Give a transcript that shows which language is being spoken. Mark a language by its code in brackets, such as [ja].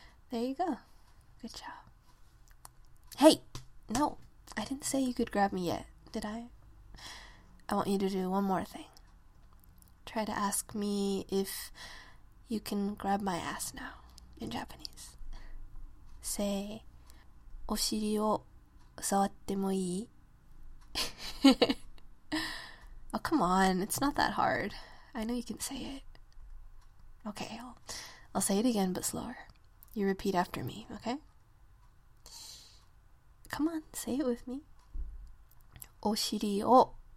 [en] There you go. Good job. Hey, no, I didn't say you could grab me yet, did I? I want you to do one more thing. Try to ask me if you can grab my ass now in Japanese. Say, [ja] お尻を触ってもいい? [en] Oh, come on, it's not that hard. I know you can say it. Okay, I'll say it again, but slower. You repeat after me, okay? Come on, say it with me. [ja] お尻を。